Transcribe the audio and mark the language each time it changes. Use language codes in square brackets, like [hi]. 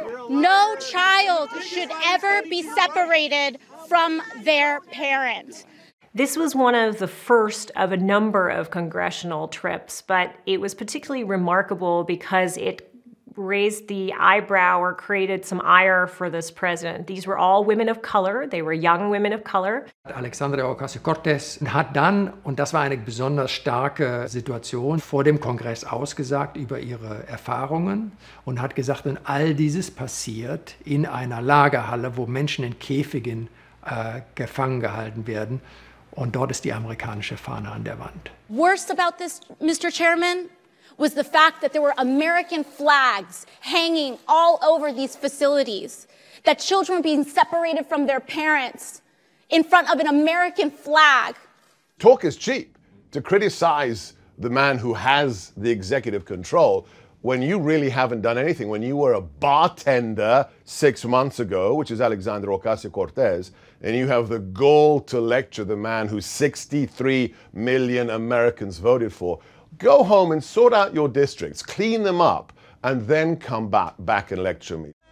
[en] No child should ever be separated from their parents. This was one of the first of a number of congressional trips, but it was particularly remarkable because it raised the eyebrow or created some ire for this president. These were all women of color. They were young women of color. [de] Alexandria Ocasio-Cortez hat dann, und das war eine besonders starke Situation, vor dem Kongress ausgesagt über ihre Erfahrungen und hat gesagt, wenn all dieses passiert in einer Lagerhalle, wo Menschen in Käfigen gefangen gehalten werden, und dort ist die amerikanische Fahne an der Wand. [en] Worst about this, Mr. Chairman, was the fact that there were American flags hanging all over these facilities, that children were being separated from their parents in front of an American flag. Talk is cheap. To criticize the man who has the executive control when you really haven't done anything, when you were a bartender 6 months ago, which is Alexandra Ocasio-Cortez, and you have the gall to lecture the man who 63 million Americans voted for, go home and sort out your districts, clean them up, and then come back and lecture me.